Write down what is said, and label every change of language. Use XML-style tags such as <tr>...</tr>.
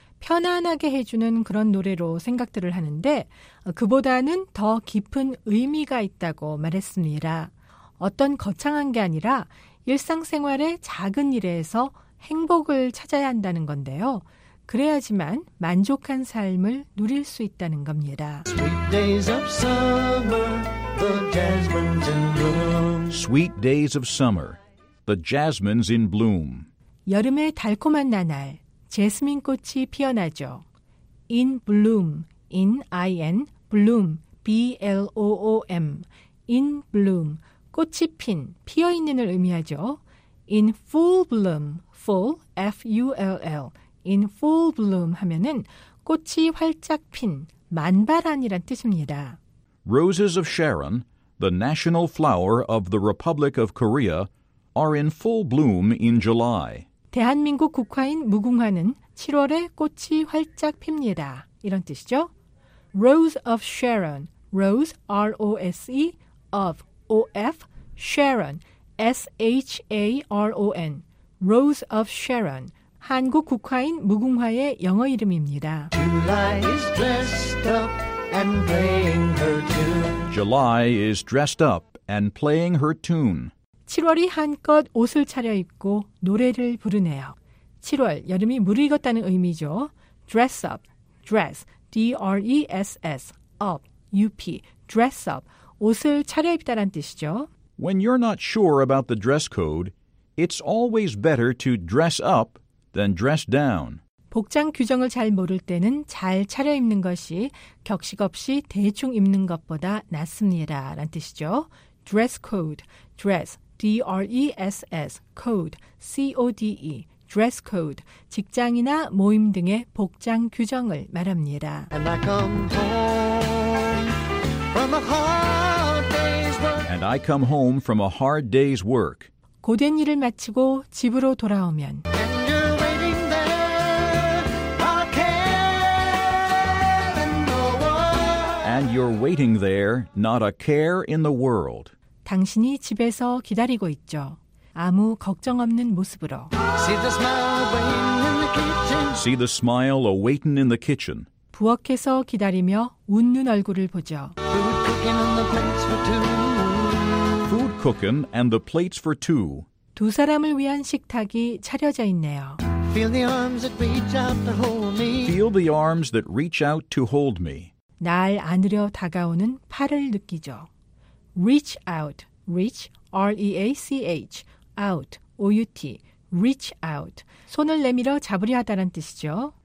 <ko>편안하게 해주는 그런 노래로 생각들을 하는데 그보다는 더 깊은 의미가 있다고 말했습니다. 어떤 거창한 게 아니라 일상생활의 작은 일에서 행복을 찾아야 한다는 건데요. 그래야지만 만족한 삶을 누릴 수 있다는 겁니다.</ko> <en>Sweet days of summer, the jasmine's in bloom. Sweet days of summer, the jasmine's in bloom.</en> <ko>여름의 달콤한 나날, 제스민 꽃이 피어나죠.</ko> <en>In bloom, in I-N, bloom, B-L-O-O-M, in bloom,</en> <ko>꽃이 핀, 피어있는을 의미하죠.</ko> <en>In full bloom, full, F-U-L-L, in full bloom</en> <ko>하면은 꽃이 활짝 핀, 만발한이란 뜻입니다.</ko> <en>Roses of Sharon, the national flower of the Republic of Korea, are in full bloom in July.</en> <ko>대한민국 국화인 무궁화는 7월에 꽃이 활짝 핍니다. 이런 뜻이죠.</ko> <en>Rose of Sharon, Rose, R-O-S-E, of, O-F, Sharon, S-H-A-R-O-N, Rose of Sharon,</en> <ko>한국 국화인 무궁화의 영어 이름입니다.</ko> <en>July is dressed up and playing her tune. July is dressed up and playing her tune.</en> <ko>7월이 한껏 옷을 차려입고 노래를 부르네요. 7월, 여름이 무르익었다는 의미죠.</ko> <en>Dress up, dress, D-R-E-S-S, up, U-P, dress up,</en> <ko>옷을 차려입다란 뜻이죠.</ko> <en>When you're not sure about the dress code, it's always better to dress up than dress down.</en> <ko>복장 규정을 잘 모를 때는 잘 차려입는 것이 격식 없이 대충 입는 것보다 낫습니다. 라는 뜻이죠.</ko> <en>Dress code, dress, D-R-E-S-S, code, C-O-D-E, dress code,</en> <ko>직장이나 모임 등의 복장 규정을 말합니다.</ko> <en>And I come home from a hard day's work. And I come home from a hard day's work.</en> <ko>고된 일을 마치고 집으로 돌아오면</ko> <en>And you're waiting there, a care in the world. And you're waiting there, not a care in the world.</en> <ko>당신이 집에서 기다리고 있죠. 아무 걱정 없는 모습으로.</ko> <en>See the smile waiting in the kitchen. See the smile awaiting in the kitchen.</en> <ko>부엌에서 기다리며 웃는 얼굴을 보죠.</ko> <en>Food cooking and the plates for two. Food cooking and the plates for two.</en> <ko>두 사람을 위한 식탁이 차려져 있네요.</ko> <en>Feel the arms that reach out to hold me. Feel the arms that reach out to hold me.</en> <ko>날 안으려 다가오는 팔을 느끼죠.</ko> <en>Reach out, reach, R-E-A-C-H, out, O-U-T, reach out.</en> <ko>손을 내밀어 잡으려 하다란 뜻이죠.</ko>